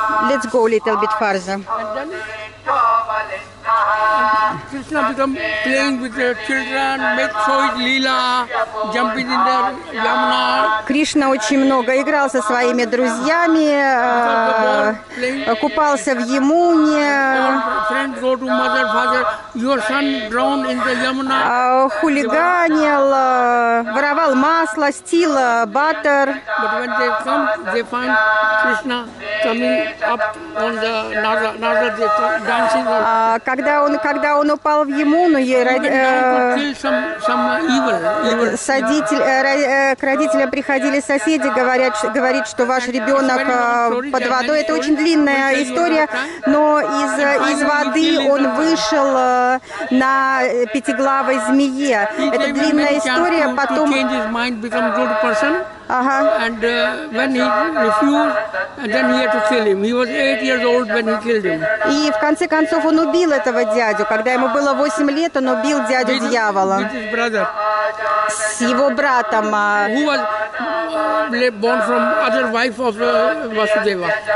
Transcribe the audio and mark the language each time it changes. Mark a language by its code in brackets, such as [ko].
[en] Let's go a little bit farther. Krishna become playing with the children, make toys, Lila, jumping in the Yamuna. [ru] Krishna очень много играл со своими друзьями, купался в Ямуне. [en] Friends go to mother, father, your son drowned in the Yamuna. [ru] Хулиганил, воровал масло, [en] steal butter. But when they come, they find Krishna coming up on the Narada, dancing. [ru] Когда он упал в Ямуну, к родителям приходили соседи, говорят, что ваш ребенок под водой. Это очень длинная история, но из воды он вышел на пятиглавой змее. Это длинная история, потом... [en] And when he refused, and then he had to kill him. He was 8 years old when he killed him. [ru] И в конце концов он убил этого дядю. Когда ему было 8 лет, он убил дядю дьявола. [en] With his brother. [ru] С его братом. [en] Who was born from other wife of Vasudeva.